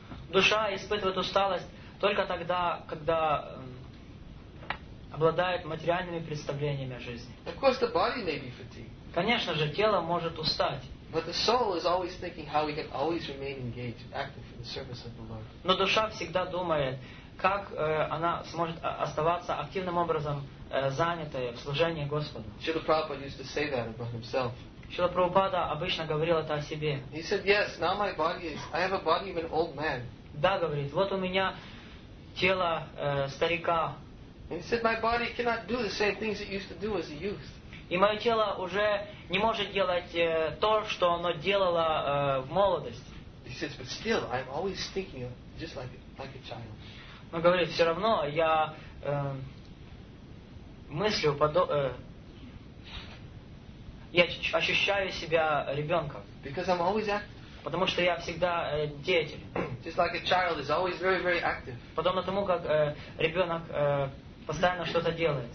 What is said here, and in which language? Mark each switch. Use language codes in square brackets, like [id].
[ru] Душа испытывает усталость только тогда, когда обладает материальными представлениями о жизни. [en] Of course, the body may be fatigued. [ru] Конечно же, тело может устать. [en] But the soul is always thinking how we can always remain engaged, active in the service of the Lord. [ru] Но душа всегда думает, как она сможет оставаться активным образом занятой в служении Господу. [en] Srila Prabhupada used to say that about himself. [ru] Шрила Прабхупада обычно говорил это о себе. [en] He said, yes, now my body is, I have a body of an old man. [ru] Да, говорит, вот у меня тело старика. [en] He said, my body cannot do the same things it used to do as a youth. [ru] И мое тело уже не может делать то, что оно делало в молодости. [en] He says, but still, I'm always thinking of just like a child. [ru] Но говорит, все равно я мыслю я ощущаю себя ребенком. [en] Because I'm always active. [ru] Потому что я всегда деятель. [en] Just like a child is always very, very active. [ru] Подобно тому, как ребенок постоянно что-то делает.